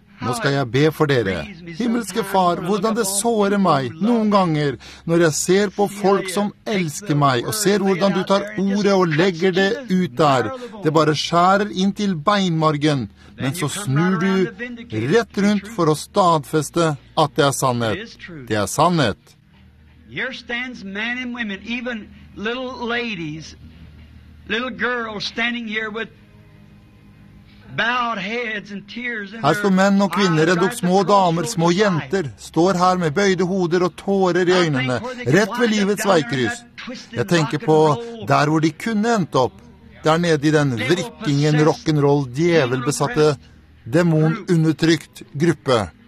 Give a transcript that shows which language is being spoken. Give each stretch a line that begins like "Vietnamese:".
Norwegian: Nå skal jeg be for dere. Himmelske Far, hvordan det sårer meg noen ganger når jeg ser på folk som elsker meg og ser hvordan du tar ordet og legger det ut der. Det bare skjærer inn til beinmargen, men så snur du rett rundt for å stadfeste at det er sannhet. Det er sannhet.
English: Her stands men and women, even little ladies, little girls standing here with
Norwegian: her står menn og kvinner, endog små damer, små jenter, står her med bøyde hoder og tårer i øynene, rett ved livets veikryss. Jeg tenker på der hvor de kunne endt opp, der nede i den vrikkingen rock'n'roll djevelbesatte, demonundertrykt gruppe.